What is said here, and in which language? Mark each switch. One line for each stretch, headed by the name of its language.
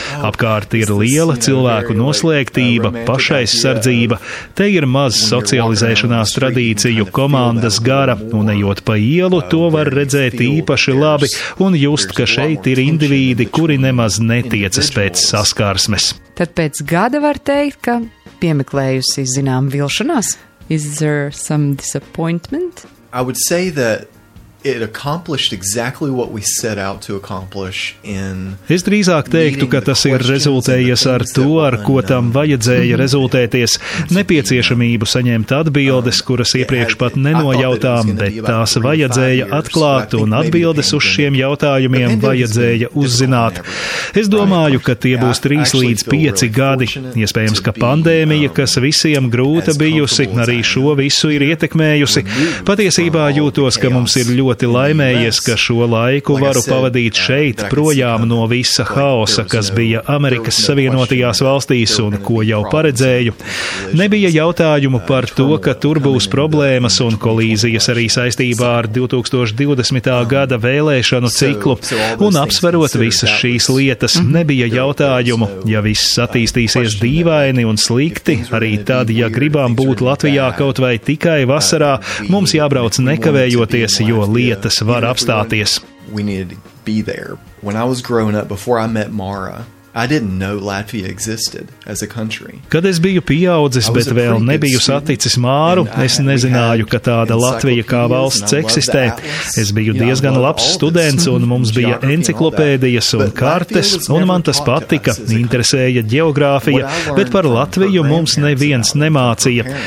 Latvian: Apkārt ir liela cilvēku noslēgtība, pašaizsardzība, te ir maz socializēšanās tradīciju, komandas gara, un ejot pa ielu, to var redzēt īpaši labi un just, ka šeit ir indivīdi, kuri nemaz netiecas pēc saskarsmes. Tad pēc gada var teikt, ka piemeklējusi, zinām, vilšanās.
English: Is there some disappointment? I would say that it accomplished exactly what we set out to accomplish in.
Latvian: Es drīzāk teiktu, ka tas ir rezultējies ar to, ar ko tam vajadzēja rezultēties. Nepieciešamību saņemt atbildes, kuras iepriekš pat nenojautām, bet tās vajadzēja atklāt un atbildes uz šiem jautājumiem vajadzēja uzzināt. Es domāju, ka tie būs 3 līdz 5 gadi. Iespējams, ka pandēmija, kas visiem grūta bijusi, arī šo visu ir ietekmējusi. Patiesībā jūtos, ka mums ir ļoti laimējies, ka šo laiku varu pavadīt šeit, projām no visa haosa, kas bija Amerikas Savienotajās valstīs un ko jau paredzēju. Nebija jautājumu par to, ka tur būs problēmas un kolīzijas arī saistībā ar 2020. Gada vēlēšanu ciklu. Un apsverot visas šīs lietas, nebija jautājumu, ja viss attīstīsies dīvaini un slikti, arī tad, ja gribam būt Latvijā kaut vai tikai vasarā, mums jābrauc nekavējoties, jo lietas var apstāties.
English: We need to be there. When I was growing up, before I met Mara, I didn't know Latvia existed as a country.
Latvian: Kad es biju pieaudzis, bet vēl nebiju saticis Māru, es nezināju, ka tāda Latvija kā valsts eksistē. Es biju diezgan labs students, un mums bija enciklopēdijas un kartes, un man tas patika, interesēja geogrāfija, bet par Latviju mums neviens nemācīja.